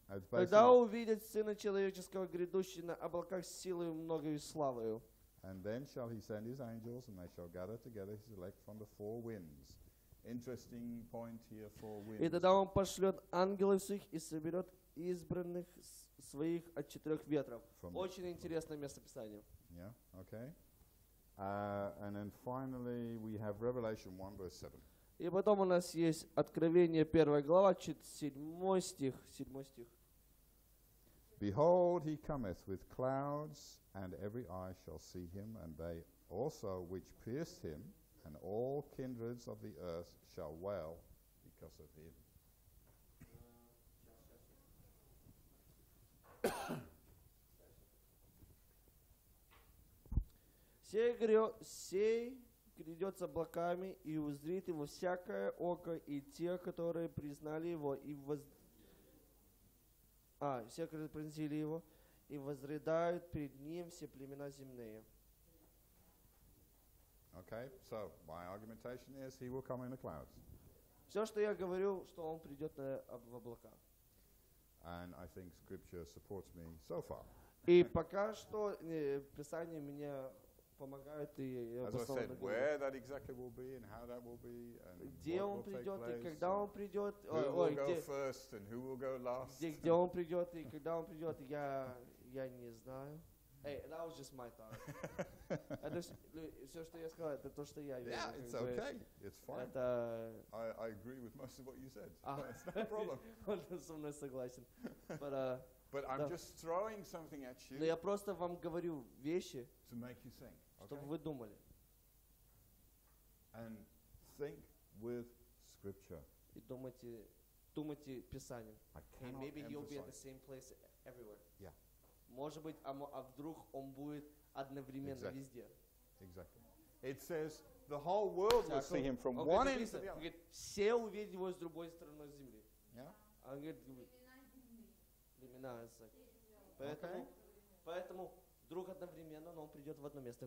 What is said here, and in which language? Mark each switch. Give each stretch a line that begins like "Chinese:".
Russian: Тогда увидят Сына Человеческого, грядущего на облаках с силою многою славою.
English: And then shall he send his angels, and they shall gather together his elect from the four winds. Interesting point here for winds.
Russian: И тогда он пошлет ангелов своих и соберет избранных своих от четырех ветров.
English: From
Russian: очень интересное местописание.
English: Yeah, okay. And then finally we have Revelation 1 verse 7.
Russian: И потом у нас есть Откровение 1 глава, 7 стих.
English: Behold, he cometh with clouds, and every eye shall see him, and they also which pierced him, and all kindreds of the earth shall wail because of him.
Russian: Сей грядет с облаками, и узрит его всякое око, и те, которые признали его, и все, которые признали его, и возрыдают перед ним все племена земные.
English: Okay, so my argumentation is he will come in the clouds.
Russian: Все, что я говорю, что он придет в облака.
English: And I think scripture supports me so far.
Russian: И пока что Писание мне помогает и обосновывает.
English: As I said, where that exactly will be and how that will be and
Russian: где он придет и когда он придет.
English: Who will go first and who will go last?
Russian: Где он придет и когда он придет, я не знаю.
English: Hey, that was just my thought.
Russian: Все, что я сказал, это то, что я вижу.
English: Yeah, it's okay. It's fine. I agree with most of what you said. It's not a problem.
Russian: Он со мной согласен.
English: But I'm just throwing something at you.
Russian: Но я просто вам говорю вещи,
English: to make you think, okay?
Russian: Чтобы вы думали.
English: And think with scripture.
Russian: И думайте Писанием.
English: I cannot emphasize. Maybe you'll be at the same place everywhere. Yeah.
Russian: Может быть, а вдруг он будет одновременно
English: exactly.
Russian: Везде.
English: Exactly. It says the whole world will see him from
Russian: он
English: one end to the other.
Russian: Он говорит, все увидят его с другой стороны земли. Yeah. Он говорит, племена земли. Поэтому вдруг одновременно, но он придет в одно место.